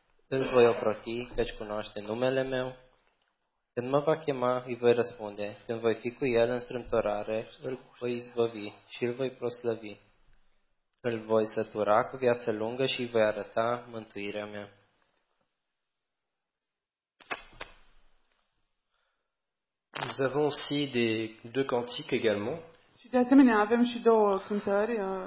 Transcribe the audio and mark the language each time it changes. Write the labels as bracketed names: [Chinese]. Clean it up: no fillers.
[Romanian] Îl voi oproti, căci cunoaște numele meu. Când mă va chema, îi voi răspunde. Când voi fi cu el în strâmtorare, îl voi izbăvi și îl voi proslăvi. Îl voi sătura cu viață lungă și îi voi arăta mântuirea mea. [French] Nous avons aussi deux cantiques également. [Romanian] Și de asemenea avem și două cântări.